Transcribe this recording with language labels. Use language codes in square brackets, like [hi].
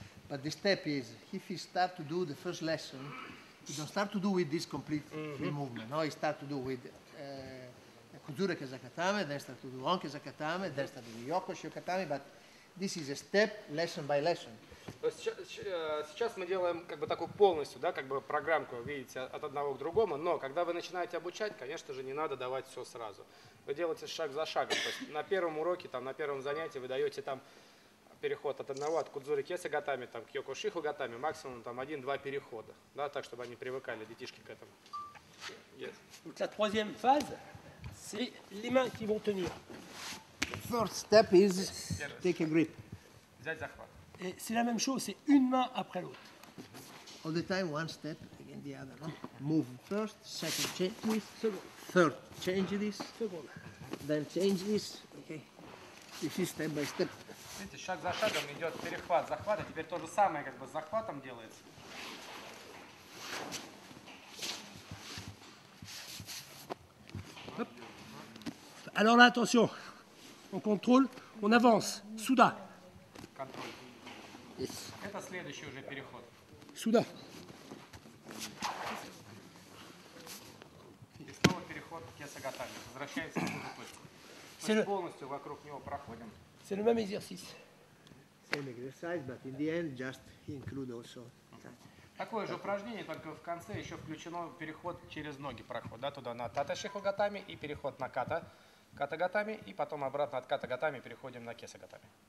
[en] But the step is, if he starts to do the first lesson. He don't start to do with this complete free movement. No, he start to do with Kuzure Kesagatame, then start to do On Kesagatame, then start to do Yoko Shiokatame, but this is a step, lesson by lesson. [ru] Сейчас мы делаем как бы такую полностью, да, как бы программку, видите, от одного к другому, но когда вы начинаете обучать, конечно же, не надо давать все сразу. Вы делаете шаг за шагом. То есть на первом уроке, там, на первом занятии вы даете там переход от одного от кудзури кесагатами там к йоко шиху гатами максимум там 1-2 перехода, да, так чтобы они привыкали детишки к этому. [en] Yes. [fr] Donc la troisième phase c'est les mains qui vont tenir. [en] First step is take a grip. [ru] Взять захват. [fr] Et c'est la même chose, c'est une main après l'autre. [en] All the time one step again the other, no? Move first, second change this, third change this, then change this, okay. [ru] все [en] step by step. [ru] Видите, шаг за шагом идет перехват, захват, а теперь то же самое как бы с захватом делается. [fr] Alors là, attention, on contrôle, on avance, Souda. [en] Yes. [ru] Это следующий уже переход. Souda. И снова переход к Кесагатами, возвращается в ту же точку. Мы полностью вокруг него проходим. [fr] C'est le même exercice. [en] Same exercise, but in the end just include also. [ru] Такое же упражнение, только в конце еще включено переход через ноги, проход, да, туда на Таташихугатами и переход на Ката. Катагатами и потом обратно от катагатами переходим на кесагатами.